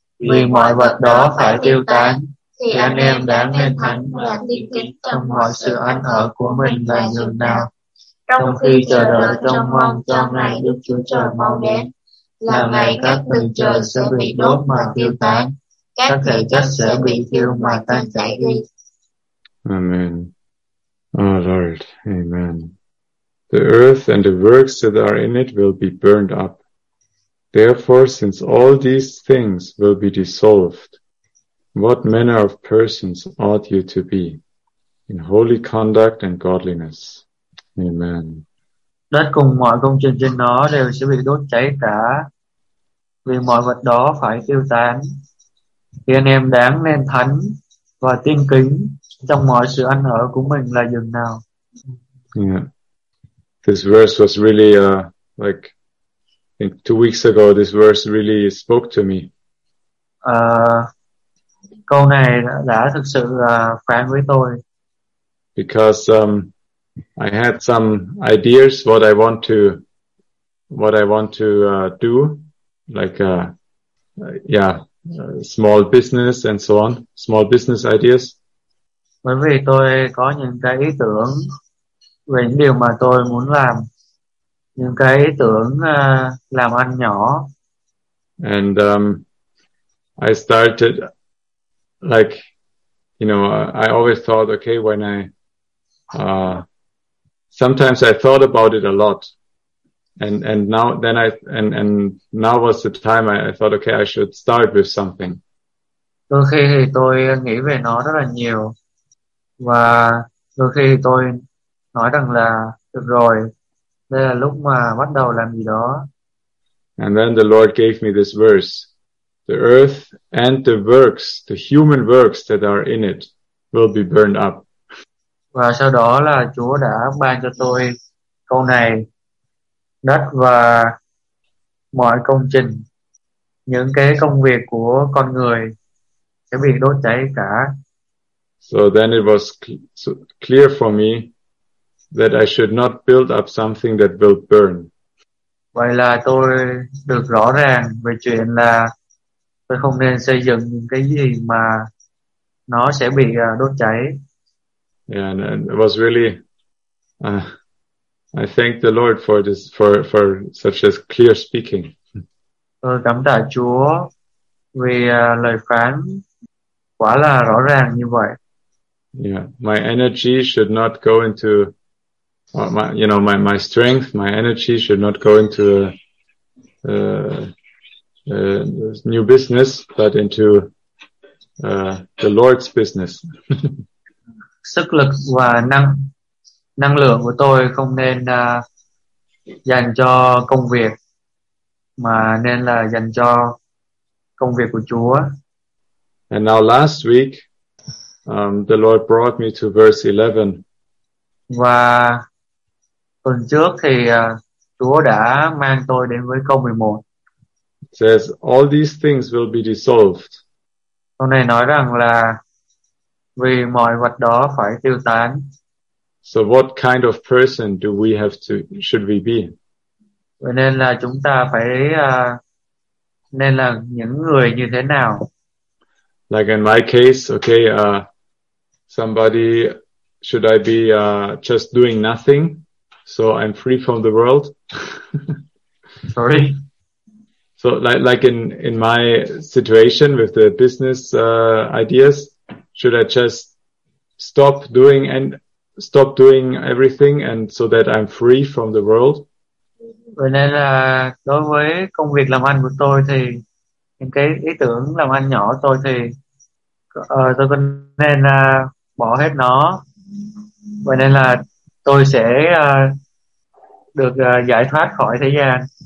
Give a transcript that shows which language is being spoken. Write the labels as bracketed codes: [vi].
[vi] Vì mọi vật đó phải tiêu tan, thì anh em đã nên thánh và tin kính trong mọi sự ăn ở của mình là nhường nào, trong khi chờ đợi trong mong cho ngày Đức Chúa Trời mau đến, là ngày các tầng trời sẽ bị đốt mà tiêu tan, các thể chất sẽ bị tiêu mà tan chảy đi. [en] Amen. Oh Lord, amen. The earth and the works that are in it will be burned up. Therefore, since all these things will be dissolved, what manner of persons ought you to be in holy conduct and godliness? Amen. [vi] Đất cùng mọi công trình trên nó đều sẽ bị đốt cháy cả, vì mọi vật đó phải tiêu tan. Thì anh em đáng nên thánh và tin kính trong mọi sự ăn ở của mình là dừng nào. [en] Yeah. This verse was really like, I think 2 weeks ago, this verse really spoke to me. [vi] Câu này đã thực sự phản với tôi. [en] Because I had some ideas what I want to do, like small business and so on, small business ideas. [vi] Bởi vì tôi có những cái ý tưởng về những điều mà tôi muốn làm, những cái ý tưởng làm ăn nhỏ. [en] And I started, like, you know, I always thought, okay, when I, sometimes I thought about it a lot, and now was the time I thought, okay, I should start with something. [vi] Đôi khi thì tôi nghĩ về nó rất là nhiều, và đôi khi thì tôi nói rằng là được rồi, đây là lúc mà bắt đầu làm gì đó. [en] And then the Lord gave me this verse: the earth and the works, the human works that are in it, will be burned up. [vi] Và sau đó là Chúa đã ban cho tôi câu này: đất và mọi công trình, những cái công việc của con người sẽ bị đốt cháy cả. [en] So then it was clear for me that I should not build up something that will burn. [vi] Vậy là tôi được rõ ràng về chuyện là tôi không nên xây dựng những cái gì mà nó sẽ bị đốt cháy. [en] Yeah, and it was really, I thank the Lord for this, for such a clear speaking. [vi] Tôi cảm tạ Chúa vì lời phán quả là rõ ràng như vậy. [en] Yeah, my energy should not go into, my strength, my energy should not go into a new business, but into the Lord's business. [vi] Sức lực và năng lượng của tôi không nên dành cho công việc, mà nên là dành cho công việc của Chúa. [en] And now last week, the Lord brought me to verse 11. [vi] Và tuần trước thì Chúa đã mang tôi đến với câu 11. [en] It says, all these things will be dissolved. [vi] Câu này nói rằng là vì mọi vật đó phải tiêu tán. [en] So what kind of person do we have to, should we be? [vi] Vậy nên là chúng ta phải nên là những người như thế nào? [en] Like in my case, okay, somebody, should I be just doing nothing so I'm free from the world? Sorry. So like in my situation with the business ideas, should I just stop doing everything and so that I'm free from the world? [vi] Vậy nên là đối với công việc làm ăn của tôi thì những cái ý tưởng làm ăn nhỏ tôi thì tôi có nên bỏ hết nó. Vậy nên là tôi sẽ được giải thoát khỏi thế gian.